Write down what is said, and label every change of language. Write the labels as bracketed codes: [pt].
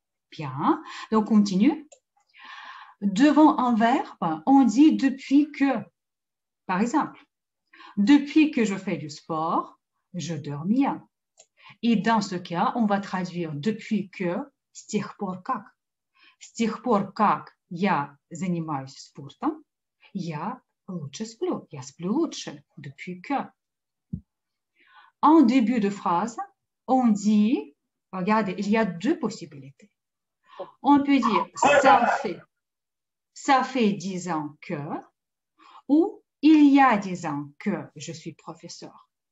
[fr] Bien, donc on continue. Devant un verbe, on dit depuis que, par exemple, depuis que je fais du sport, je dors bien. Et dans ce cas, on va traduire depuis que, [ru] с тех пор как. С тех пор как я занимаюсь спортом, я лучше сплю. Я сплю лучше [fr] depuis que. En début de phrase, on dit, regardez, il y a deux possibilités. On peut dire ça fait 10 ans que, ou il y a 10 ans que je suis professeur.